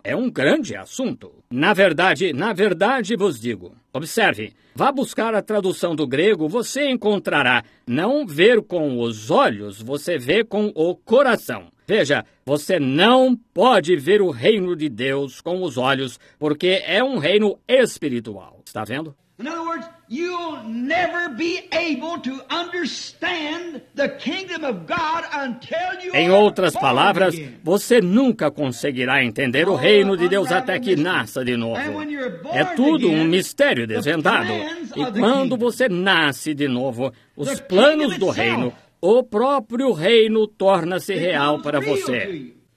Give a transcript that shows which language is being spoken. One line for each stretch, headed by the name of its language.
Portuguese: É um grande assunto. Na verdade vos digo. Observe. Vá buscar a tradução do grego, você encontrará. Não ver com os olhos, você vê com o coração. Veja, você não pode ver o reino de Deus com os olhos, porque é um reino espiritual. Está vendo?
English: In other words, you'll never be able to understand the kingdom of God until you
Portuguese: Em outras palavras, você nunca conseguirá entender o reino de Deus até que nasça de novo. É tudo um mistério desvendado. E quando você nasce de novo, os planos do reino, o próprio reino torna-se real para você.